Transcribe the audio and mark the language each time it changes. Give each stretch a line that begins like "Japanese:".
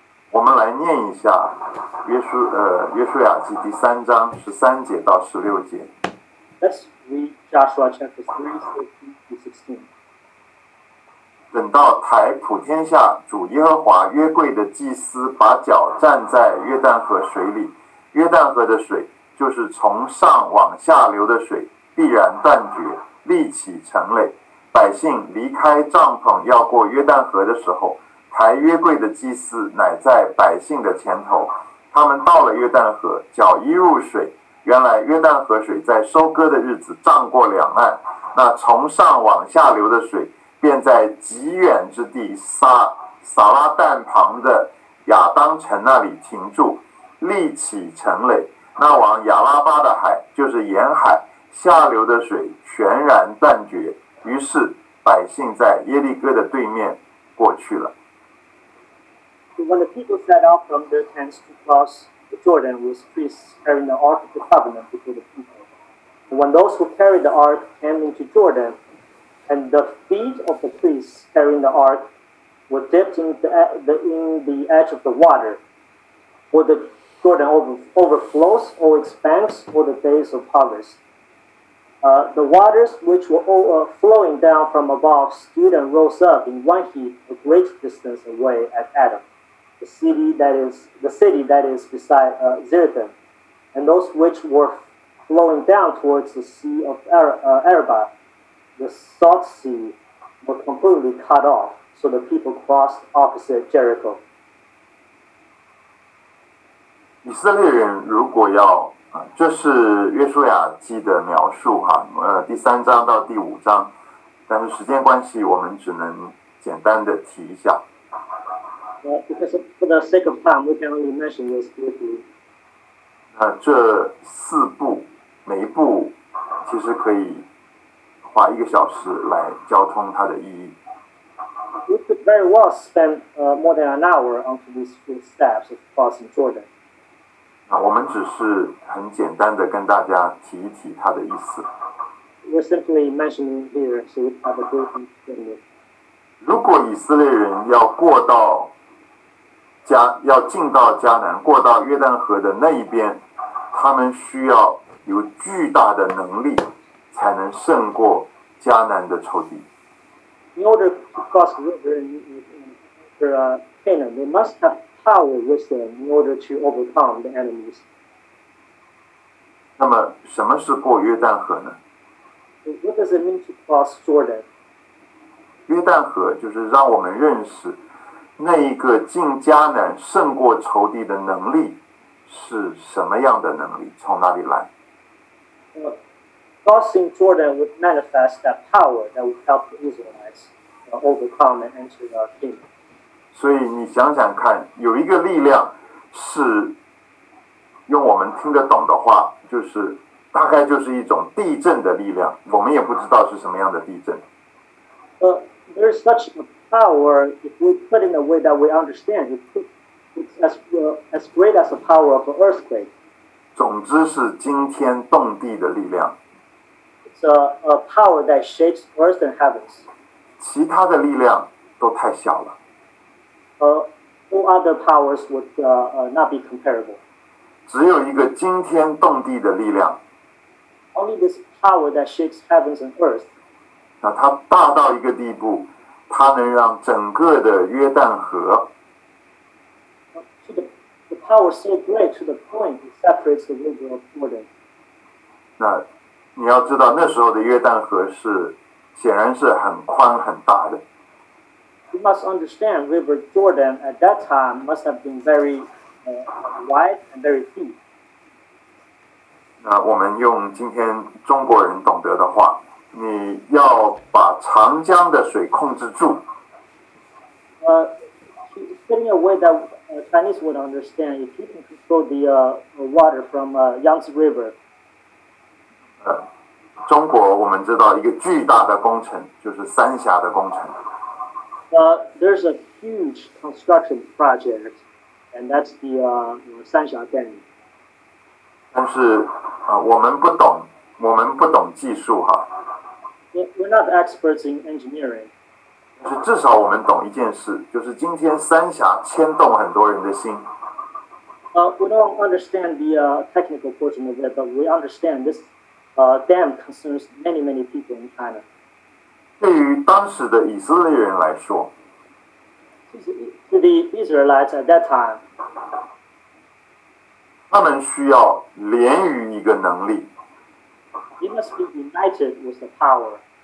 Chinese: 我们来念一下约书亚记第三章13节到16节。
English: Let's read Joshua chapter 3:13-16.
Chinese: 等到抬普天下主耶和华约柜的祭司把脚站在约旦河水里，约旦河的水就是从上往下流的水，必然断绝，立起城垒。百姓离开帐篷要过约旦河的时候，抬约柜的祭司乃在百姓的前头，他们到了约旦河，脚一入水，原来约旦河水在收割的日子涨过两岸，那从上往下流的水便在极远之地撒拉旦旁的亚当城那里停住，立起城垒。那往亚拉巴的海就是沿海下流的水全然断绝，于是百姓在耶利哥的对面过去了。
English: When the people set out from their tents to cross the Jordan with priests carrying the Ark of the Covenant before the people, when those who carried the Ark came into Jordan, and the feet of the priests carrying the Ark were dipped in the edge of the water, for the Jordan overflows or expands for the days of harvest. The waters which were flowing down from above stood and rose up in one heap a great distance away at Adam, the city that is beside Zirathim, and those which were flowing down towards the Sea of Araba, the Salt Sea, were completely cut off, so the people crossed opposite Jericho.
Chinese: 以色列人如果要这是约书亚记的描述哈，第三章到第五章，但是时间关系，我们只能简单的提一下。
English: Because for the sake of time, we can only mention this briefly.
Chinese: 这四部，每一部其实可以花一个小时来交通它的意义。
English: We could very well spend more than an hour onto these four steps of crossing Jordan.
Chinese: 我们只是很简单的跟大家提一提它的意思。
English: We're simply mentioning here, so we have a good understanding.
Chinese: 如果以色列人要过到要进到迦南，过到约旦河的那一边，他们需要有巨大的能力，才能胜过迦南的仇敌。
English: In order to cross the river for Canaan, they must have. Power with them in order to overcome the enemies.
Chinese: 那么什么是过约旦河呢？
English: What does it mean to cross Jordan?
Chinese: 约旦河就是让我们认识那一个进迦南胜过仇敌的能力是什么样的能力，从哪里来。
English: Crossing Jordan would manifest that power that would help the Israelites overcome and enter the kingdom.
Chinese: 所以你想想看，有一个力量是用我们听得懂的话，就是大概就是一种地震的力量，我们也不知道是什么样的地震。
English: There is such a power, if we put in a way that we understand, it's as great as the power of an earthquake.
Chinese: 总之是惊天动地的力量。
English: It's a power that shakes earth and heavens.
Chinese: 其他的力量都太小了。
English: All other powers would not be comparable.
Chinese: 只有一个惊天动地的力量。
English: Only this power that shakes heavens and earth.
Chinese: 那它大到一个地步，它能让整个的约旦河。
English: The power so great to the point it separates the river of Jordan.
Chinese: 那你要知道，那时候的约旦河是显然是很宽很大的。
English: You must understand, River Jordan at that time must have been very wide and very deep.
Chinese: 那我们用今天中国人懂得的话，你要把长江的水控制住。
English: In a way that Chinese would understand, if you can control the water from Yangtze River.
Chinese: 中国我们知道一个巨大的工程，就是三峡的工程。
English: There's a huge construction project, and that's the Sanxia Dam.
Chinese: 但是我们不懂技术哈。
English: We're not experts in engineering.
Chinese: 但是至少我们懂一件事，就是今天三峡牵动很多人的心。
English: We don't understand the technical portion of it, but we understand this dam concerns many, many people in China.
Chinese: 对于当时的以色列人来说
English: ，to the Israelites at that time，
Chinese: 他们需要连于一个能力。
English: They must be united with the power。